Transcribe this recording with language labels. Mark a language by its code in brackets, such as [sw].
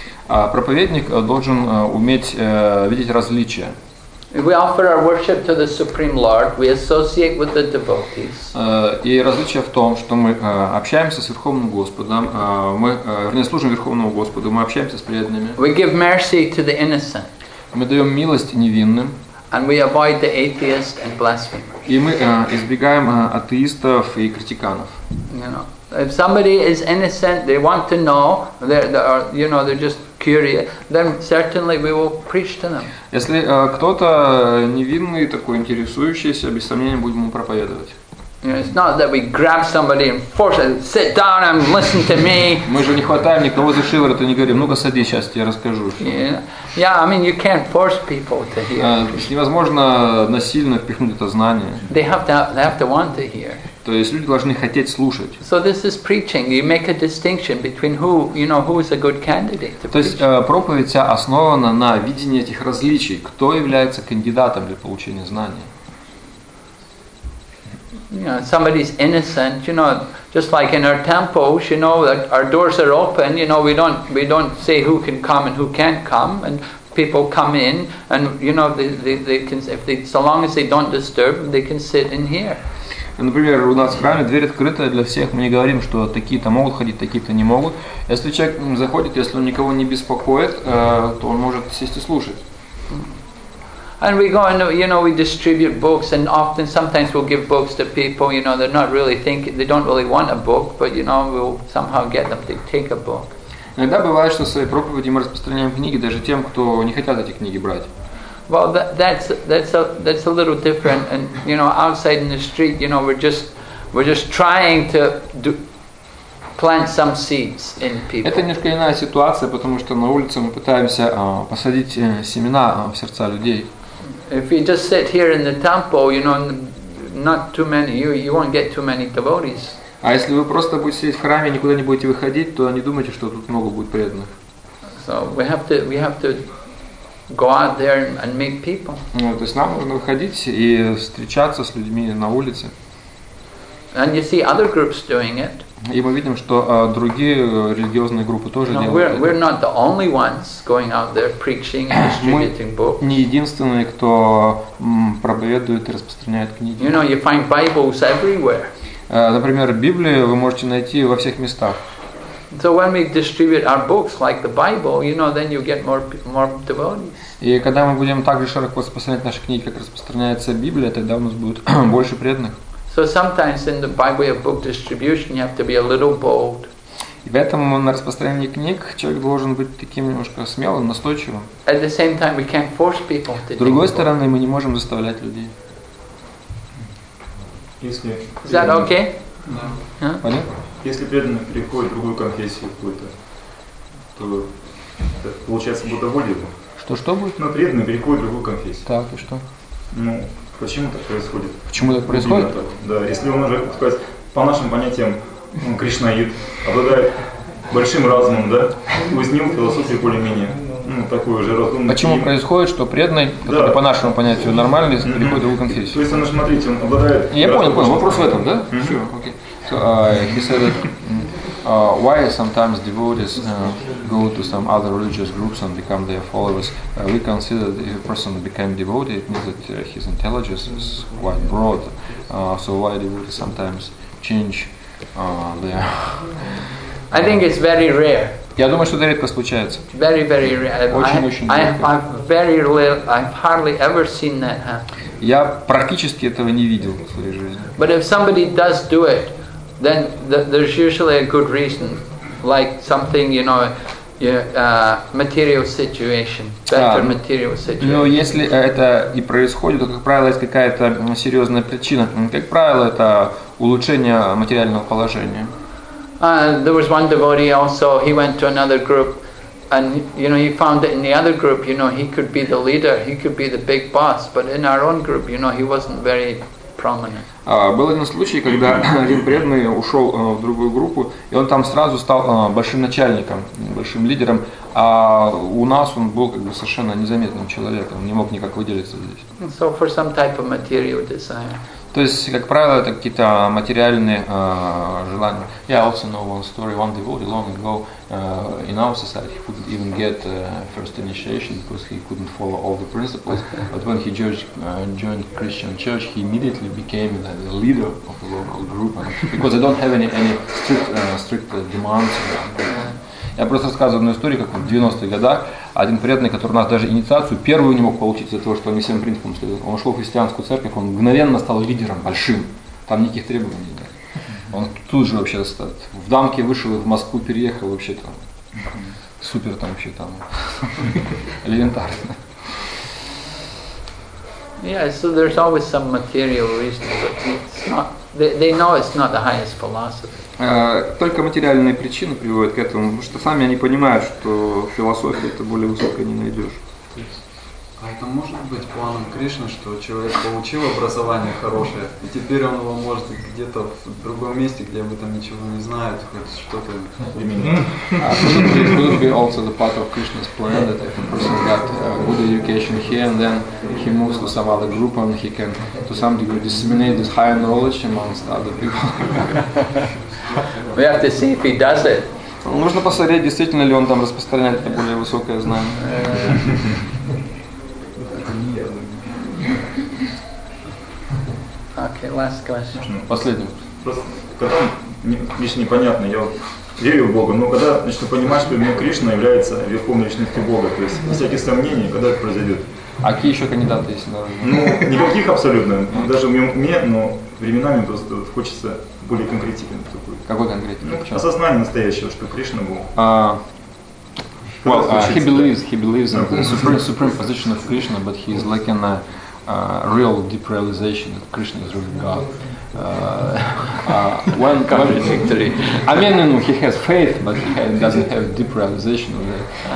[ru] Проповедник должен уметь видеть различия. [en] We offer our worship to the Supreme Lord. We associate with the devotees. [ru] И различие в том, что мы общаемся с Верховным Господом, мы вернее служим Верховному Господу, мы общаемся с преданными. [en] We give mercy to the innocent. [ru] Мы даем милость невинным. [en] And we avoid the atheists and blasphemers. [ru] И мы избегаем атеистов и критиканов. [en] You know. If somebody is innocent, they want to know, they're just curious, then certainly we will preach to them. [ru] Если кто-то невинный, такой интересующийся, без сомнения будем ему проповедовать. [en] You know, it's not that we grab somebody and force them, sit down and listen to me. [ru] Мы же не хватаем никого за шиворот и не говорим, ну-ка садись, сейчас я расскажу. [en] Yeah, I mean, you can't force people to hear. [ru] Невозможно насильно впихнуть это знание. [en] They have to want to hear. [ru] То есть люди должны хотеть слушать. [en] So this is preaching. You make a distinction between who, you know, who is a good candidate to preach. [ru] То есть проповедь основана на видении этих различий, кто является кандидатом для получения знания. [en] You know, somebody's innocent, you know, just like in our temples, you know, that our doors are open, you know, we don't say who can come and who can't come, and people come in, and you know, they can, if they, so long as they don't disturb, they can sit in here. [ru] Например, у нас в храме дверь открытая для всех, мы не говорим, что такие-то могут ходить, такие-то не могут. Если человек заходит, если он никого не беспокоит, то он может сесть и слушать. [en] And we go and, you know, we distribute books, and often sometimes we'll give books to people, you know, they're not really thinking, they don't really want a book, but, you know, we'll somehow get them to take a book. [ru] Иногда бывает, что в своей проповеди мы распространяем книги даже тем, кто не хотят эти книги брать. [en] Well, that's a little different, and, you know, outside in the street, you know, we're just trying to do, plant some seeds in people. [ru] Это немножко иная ситуация, потому что на улице мы пытаемся посадить семена в сердца людей. [en] If you just sit here in the temple, you know, not too many, you won't get too many devotees. [ru] А если вы просто будете сидеть в храме, никуда не будете выходить, то не думайте, что тут много будет преданных. [en] So we have to go out there and meet people. [ru] Ну, то есть нам нужно выходить и встречаться с людьми на улице. [en] And you see other groups doing it. [ru] И мы видим, что другие религиозные группы тоже делают. [en] We're not the only ones going out there preaching and distributing books. [ru] Мы не единственные, кто проповедует и распространяет книги. [en] You know, you find Bibles everywhere. [ru] Например, Библию вы можете найти во всех местах. [en] So when we distribute our books like the Bible, you know, then you get more devotees. [ru] И когда мы будем также широко распространять наши книги, как распространяется Библия, тогда у нас будет больше преданных. [en] So sometimes in the by way of book distribution you have to be a little bold. [ru] И поэтому на распространении книг человек должен быть таким немножко смелым, настойчивым. [en] At the same time we can't force people to. [ru] С другой стороны, мы не можем заставлять людей. Если [en] Is that okay? [ru] Да. Понятно? Если преданный переходит в другую конфессию какую-то, то получается будто будет. Что будет? Но преданный переходит в другую конфессию. Так, и что? Ну, почему так происходит? Почему так происходит? Да, если он уже, так сказать, по нашим понятиям, кришнаид, обладает большим разумом, да, то есть не у философии более-менее, ну, такой уже разумный. Почему происходит, что преданный, который по нашему понятию нормальный, переходит в другую конфессию? То есть он, смотрите, он обладает... Я понял, вопрос в этом, да? Mm-hmm. [en] Sure, okay. So, he said that, why sometimes devotees go to some other religious groups and become their followers? We consider that if a person became devotee, it means that his intelligence is quite broad. So why devotees sometimes change their... I think it's very rare. [ru] Я думаю, что это редко случается. [en] Very, very rare. I've hardly ever seen that happen. [ru] Я практически этого не видел в своей жизни. [en] But if somebody does do it, then there's usually a good reason, like something, you know, material situation, better material situation. [ru] Но если это и происходит, то, как правило, есть какая-то серьезная причина. Как правило, это улучшение материального положения. [en] There was one devotee also, he went to another group, and, you know, he found that in the other group, you know, he could be the leader, he could be the big boss, but in our own group, you know, he wasn't very prominent. [ru] Был один случай, когда один преданный ушел в другую группу, и он там сразу стал большим начальником, большим лидером, а у нас он был как бы совершенно незаметным человеком, не мог никак выделиться здесь. [en] So for some type of material desire. [ru] То есть, как правило, это какие-то материальные желания. [en] Yeah, I also know one story, one devotee long ago in our society, he couldn't even get first initiation because he couldn't follow all the principles, but when he joined Christian church, he immediately became the leader of the local group, because they don't have any strict demands. [ru] Я просто рассказываю одну историю, как в 90-х годах один преданный, который у нас даже инициацию первую не мог получить из-за того, что он не всем принципам следует. Он ушел в христианскую церковь, он мгновенно стал лидером большим. Там никаких требований нет. Он тут же вообще в дамке вышел и в Москву переехал вообще там. Супер там вообще там. Элементарно. [en] Yeah, so there's always some material reasons, but it's not They know it's not the highest philosophy. [ru] Только материальные причины приводят к этому, потому что сами они понимают, что философию это более высокое не найдешь. А это может быть планом Кришны, что человек получил образование хорошее, и теперь он его может где-то в другом месте, где об этом ничего не знает, хоть что-то применить. [en] It could be also the part of Krishna's plan that if a person got a good education here and then he moves to some other group and he can to some degree disseminate this higher knowledge amongst other people. We have to see if he does it. [ru] Нужно посмотреть, действительно ли он там распространяет это более высокое знание. [en] Okay, last question. [ru] Последний. Просто когда лично непонятно, я верю в Бога, но когда начну понимать, что именно Кришна является верховной личностью Бога, то есть на всякие сомнения, когда это произойдет? А какие еще кандидаты есть? Да? Ну, никаких абсолютно. Даже в уме, но временами просто вот хочется более конкретики. Какой конкретики? Ну, осознание настоящего, что Кришна Бог. [en] Well, he believes in the supreme position of Krishna, but he is like in a real deep realization that Krishna is really God. Victory. I mean, you know, he has faith, but he doesn't have deep realization of that.